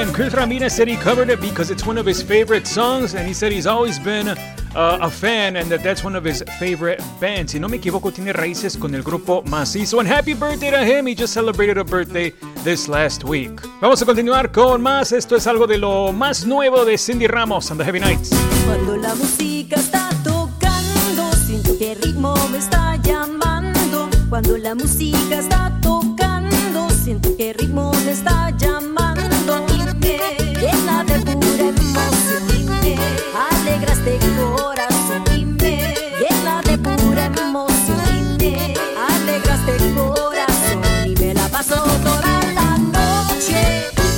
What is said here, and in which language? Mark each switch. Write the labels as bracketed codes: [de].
[en] And Chris Ramirez said he covered it because it's one of his favorite songs. And he said he's always been a fan and that's one of his favorite bands. [es] Si no me equivoco, tiene raíces con el grupo Macizo. [en] And happy birthday to him. He just celebrated a birthday this last week. [es] Vamos a continuar con más. Esto es algo de lo más nuevo de Cindy Ramos and the Heavy Knights. Cuando la música está tocando, siento que el ritmo me está llamando. Cuando la música está tocando, siento que el ritmo me está llamando. Y me llena de pura emoción. Alegraste el corazón, dime, llena de pura emoción, dime, alegraste el corazón y me la paso toda la noche.